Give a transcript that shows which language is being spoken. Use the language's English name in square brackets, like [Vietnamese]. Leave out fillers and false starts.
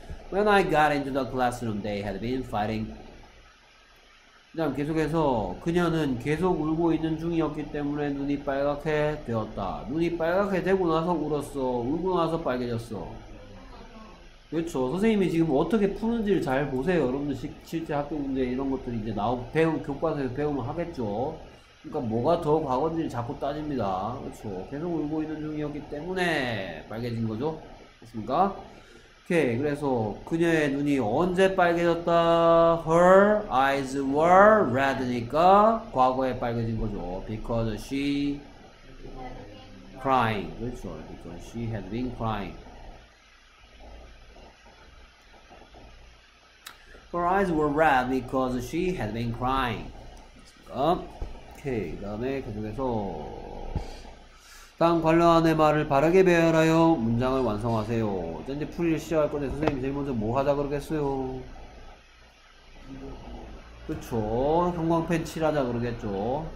[English] When I got into the classroom, they had been fighting. [Korean] 그 다음 계속해서 그녀는 계속 울고 있는 중이었기 때문에 눈이 빨갛게 되었다. 눈이 빨갛게 되고 나서 울었어. 울고 나서 빨개졌어. 그렇죠. 선생님이 지금 어떻게 푸는지를 잘 보세요. 여러분들 실제 학교 문제 이런 것들이 이제 교과서에서 배우면 하겠죠. 그러니까 뭐가 더 과거인지를 자꾸 따집니다. 그렇죠. 계속 울고 있는 중이었기 때문에 빨개진 거죠. 됐습니까? 오케이. 그래서 그녀의 눈이 언제 빨개졌다? [English] Her eyes were red니까 [Korean] 과거에 빨개진 거죠. [English] Because she crying. [Korean] 그렇죠. [English] Because she had been crying. Her eyes were red because she had been crying. [Korean] 오케이. 그 다음에 계속해서 다음 관련한 말을 바르게 배열하여 문장을 완성하세요. 이제 풀이를 시작할 건데 선생님이 제일 먼저 뭐 하자 그러겠어요? 그쵸. 형광펜 칠하자 그러겠죠.